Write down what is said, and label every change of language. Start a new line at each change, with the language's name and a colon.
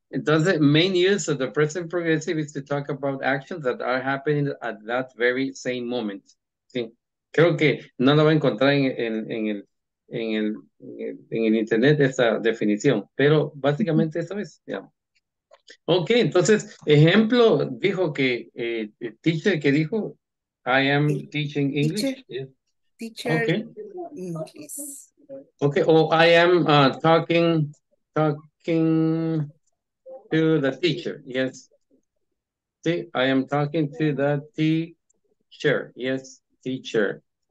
English: Entonces, main use of the present progressive is to talk about actions that are happening at that very same moment.
Spanish: Sí. Creo que no la va a encontrar en el internet esa definición, pero básicamente eso es, ya. Ok, entonces, ejemplo, dijo que, teacher, ¿qué dijo?
English: I am teaching English. Teacher, English. Ok, o I am talking to the teacher, yes. Sí, I am talking to the teacher, yes, teacher.